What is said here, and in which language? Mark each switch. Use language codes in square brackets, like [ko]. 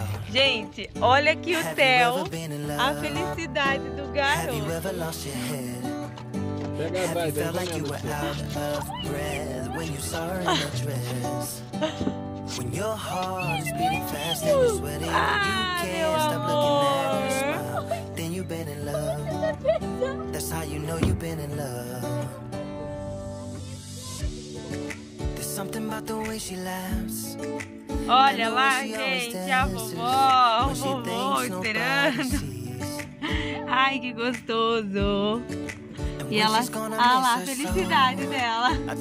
[pt] Gente, olha aqui o Theo. A felicidade do garoto. [en] Have you felt like you were out of breath when you saw her in the dress? When your heart is beating fast and you're sweating, you can't stop looking at her smile. Then you've been in love. That's how you know you've been in love. There's something about the way she laughs. [pt] Olha lá, gente, a vovó, esperando. Ai, que gostoso. E ela, olha lá, a felicidade dela.